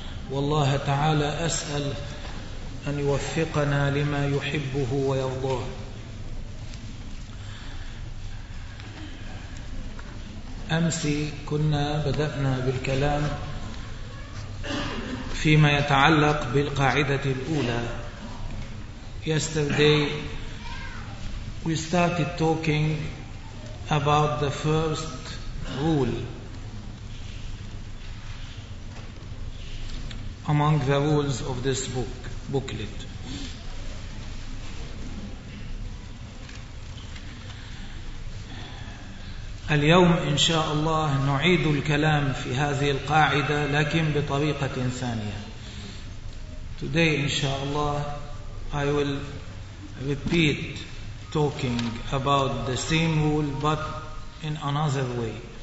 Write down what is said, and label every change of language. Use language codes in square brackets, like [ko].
[ar] والله تعالى أسأل أن يوفقنا لما يحبه ويرضاه. أمس كنا بدأنا بالكلام فيما يتعلق بالقاعدة الأولى. [en] Yesterday we started talking about the first rule. Among the rules of this booklet. [ar] اليوم إن شاء الله نعيد الكلام في هذه القاعدة لكن بطريقة ثانية. [en] Today [ar] إن شاء الله [en] I will repeat talking about the same rule but in another way.